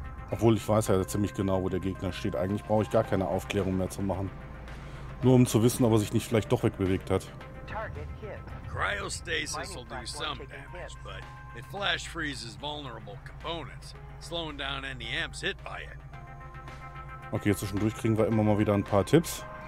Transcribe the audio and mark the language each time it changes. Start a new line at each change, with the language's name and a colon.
German: Obwohl ich weiß ja ziemlich genau, wo der Gegner steht. Eigentlich brauche ich gar keine Aufklärung mehr zu machen. Nur um zu wissen, ob er sich nicht vielleicht doch wegbewegt hat.
English: Cryostasis will do some damage, but it flash freezes vulnerable components, slowing down any amps hit by it.
German: Okay, zwischendurch kriegen wir immer mal wieder ein paar Tipps.